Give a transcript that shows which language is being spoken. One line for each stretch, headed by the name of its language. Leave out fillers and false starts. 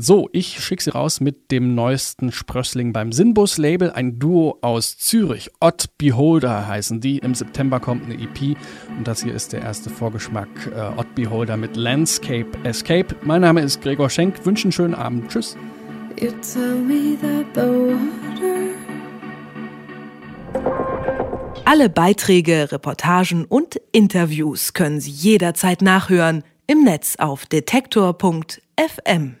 German: So, ich schicke sie raus mit dem neuesten Sprössling beim Sinnbus-Label, ein Duo aus Zürich. Odd Beholder heißen die. Im September kommt eine EP und das hier ist der erste Vorgeschmack. Odd Beholder mit Landscape Escape. Mein Name ist Gregor Schenk. Wünsche einen schönen Abend. Tschüss.
English: You tell me that the water.
German: Alle Beiträge, Reportagen und Interviews können Sie jederzeit nachhören im Netz auf detektor.fm. FM.